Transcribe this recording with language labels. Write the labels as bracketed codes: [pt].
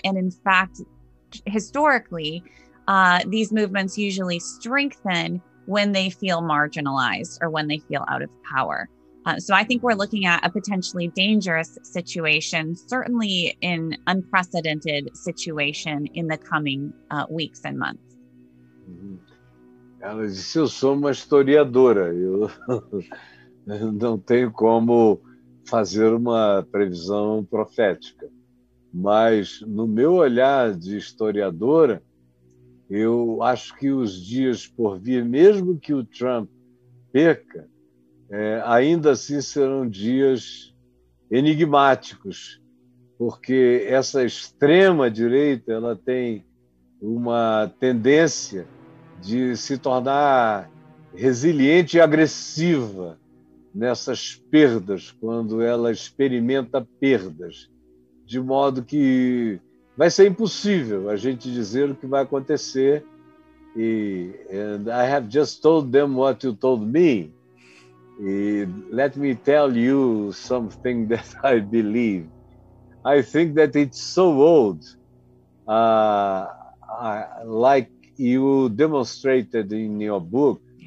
[en] And in fact, historically, these movements usually strengthen when they feel marginalized or when they feel out of power. So I think we're looking at a potentially dangerous situation, certainly an unprecedented situation in the coming weeks and months. [pt] Ela disse, eu sou uma historiadora, eu não tenho como fazer uma previsão profética, mas no meu olhar de historiadora, eu acho que os dias por vir, mesmo que o Trump perca, ainda assim serão dias enigmáticos, porque essa extrema direita, ela tem uma tendência de se tornar resiliente e agressiva nessas perdas, quando ela experimenta perdas, de modo que vai ser impossível a gente dizer o que vai acontecer. [en] E and I have just told them what you told me. E let me tell you something that I believe. I think that it's so old, like you demonstrated in your book.